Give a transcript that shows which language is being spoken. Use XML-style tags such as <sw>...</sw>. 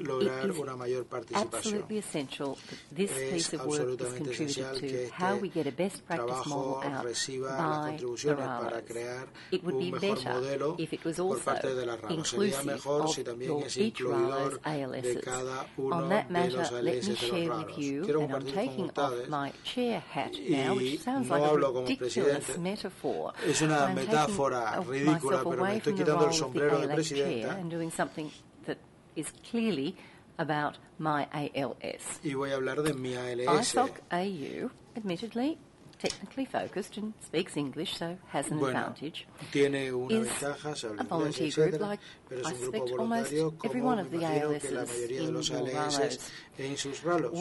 <en>is absolutely essential that this piece of work is contributed to how we get a best practice model out by the RALAs. It would be better if it was also inclusive of each RALA's ALSs. On that matter, let me share with you, and I'm taking off my chair hat now, which sounds like a ridiculous metaphor.</en> <es>Es una metáfora ridícula, pero me estoy quitando el sombrero de presidenta</es> <en>and doing something that is clearly about my ALS.</en> <es>Y voy a hablar de mi ALS.</es> <en>ISOC AU, admittedly, technically focused and speaks English, so has an advantage,</en> <es>tiene una ventaja,</es> <en>is a volunteer</en> <es>inglés, etcétera,</es> <en>group like I suspect almost every one of the ALSs in the RALAs.</en>